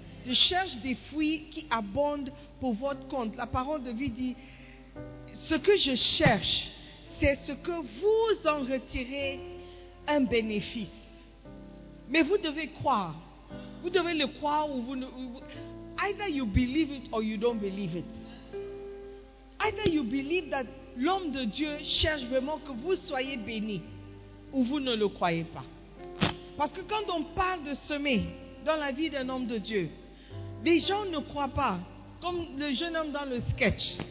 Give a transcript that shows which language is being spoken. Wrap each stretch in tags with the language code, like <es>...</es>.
<fr>Je cherche des fruits qui abondent pour votre compte. La parole de vie dit, ce que je cherche, c'est ce que vous en retirez un bénéfice. Mais vous devez croire. Vous devez le croire ou vous ne.</fr> <en>Either you believe it or you don't believe it. Either you believe that</en> <fr>l'homme de Dieu cherche vraiment que vous soyez béni ou vous ne le croyez pas. Parce que quand on parle de semer dans la vie d'un homme de Dieu, les gens ne croient pas, comme le jeune homme dans le sketch.</fr>